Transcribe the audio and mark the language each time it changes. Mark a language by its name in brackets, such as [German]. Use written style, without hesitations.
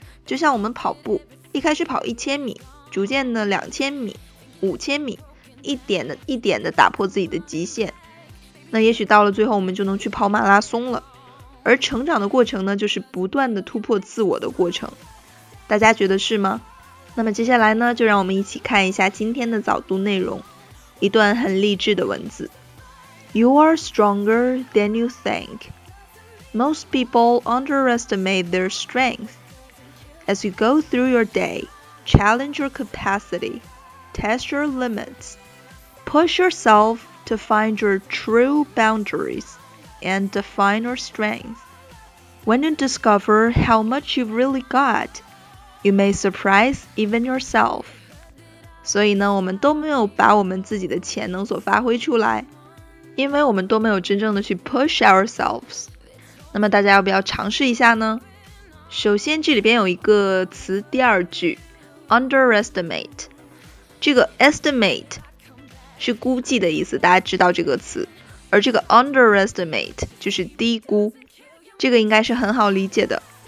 [Chinese] 就像我们跑步，一开始跑1000米，逐渐的2000米、5000米，一点的打破自己的极限，那也许到了最后我们就能去跑马拉松了。而成长的过程呢，就是不断的突破自我的过程，大家觉得是吗？那么接下来呢，就让我们一起看一下今天的早读内容，一段很励志的文字。 [English] You are stronger than you think. Most people underestimate their strength. As you go through your day, challenge your capacity, test your limits, push yourself to find your true boundaries and define your strength. When you discover how much you've really got, you may surprise even yourself. [Chinese] 所以呢，我们都没有把我们自己的潜能所发挥出来，因为我们都没有真正的去 [English] push ourselves. [Chinese] 那么大家要不要尝试一下呢？首先这里边有一个词，第二句 underestimate， 这个 estimate 是估计的意思，大家知道这个词，而这个 underestimate 就是低估，这个应该是很好理解的。